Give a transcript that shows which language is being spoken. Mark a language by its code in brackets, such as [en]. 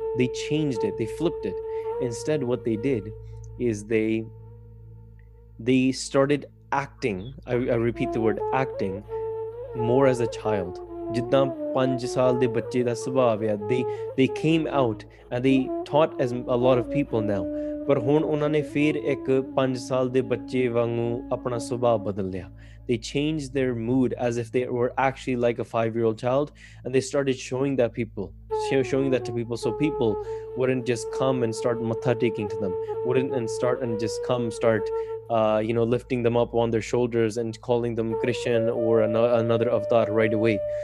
[en] They changed it, they flipped it. Instead, what they did is they started acting, I repeat the word, acting more as a child. [pa] Jiddan 5 saal de bacche da subhav ya, [en] they came out and they taught as a lot of people now. [pa] ਪਰ ਹੁਣ ਉਹਨਾਂ ਨੇ ਫਿਰ ਇੱਕ 5 ਸਾਲ ਦੇ ਬੱਚੇ ਵਾਂਗੂ ਆਪਣਾ ਸੁਭਾਅ ਬਦਲ ਲਿਆ. [en] They changed their mood as if they were actually like a 5-year-old child, and they started showing that to people, so people wouldn't just come and start matha taking to them, wouldn't start lifting them up on their shoulders and calling them Krishan or another avatar right away.